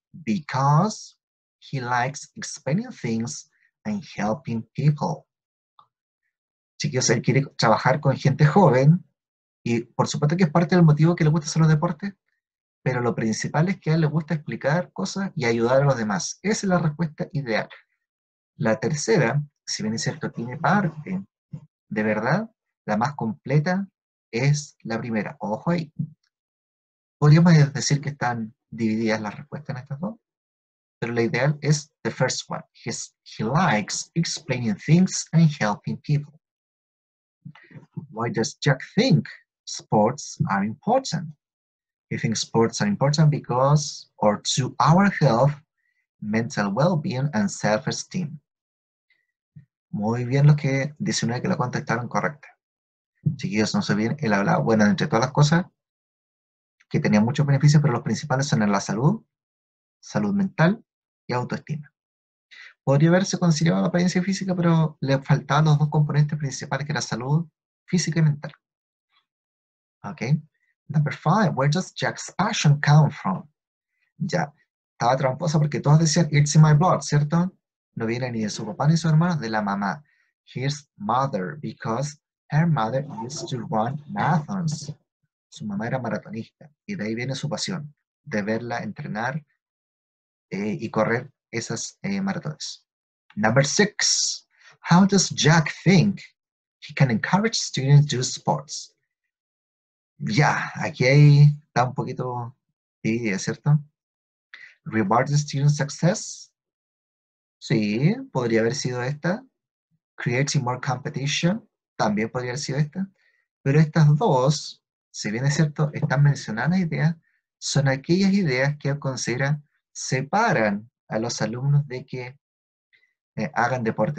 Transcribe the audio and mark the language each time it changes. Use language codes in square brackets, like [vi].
[en] Because he likes explaining things and helping people. [es] Chicos, él quiere trabajar con gente joven y por supuesto que es parte del motivo que le gusta hacer los deportes, pero lo principal es que a él le gusta explicar cosas y ayudar a los demás. Esa es la respuesta ideal. La tercera, si bien es cierto, tiene parte de verdad. La más completa es la primera. Ojo ahí. Podríamos decir que están divididas las respuestas en estas dos, pero la ideal es [en] the first one. He likes explaining things and helping people. Why does Jack think sports are important? You think sports are important because, or to our health, mental well-being and self-esteem. [es] Muy bien lo que dice una que lo contestaron correcta. Chiquillos, no sé bien, él hablaba, bueno, entre todas las cosas, que tenía muchos beneficios, pero los principales son en la salud, salud mental y autoestima. Podría haberse considerado la apariencia física, pero le faltaban los dos componentes principales, que era salud física y mental. [en] Okay. Number five, where does Jack's passion come from? [es] Ya, estaba tramposa porque todos decían, [en] it's in my blood, [es] ¿cierto? No viene ni de su papá ni de su hermano, de la mamá. [en] His mother, because her mother used to run marathons. [es] Su mamá era maratonista, y de ahí viene su pasión, de verla entrenar y correr esas maratones. [en] Number six, how does Jack think he can encourage students to do sports? [es] Ya, aquí hay, está un poquito dividida, ¿cierto? [en] Reward the student success. [es] Sí, podría haber sido esta. [en] Creating more competition. [es] También podría haber sido esta. Pero estas dos, si bien es cierto, están mencionadas ideas, son aquellas ideas que considera separan a los alumnos de que hagan deporte.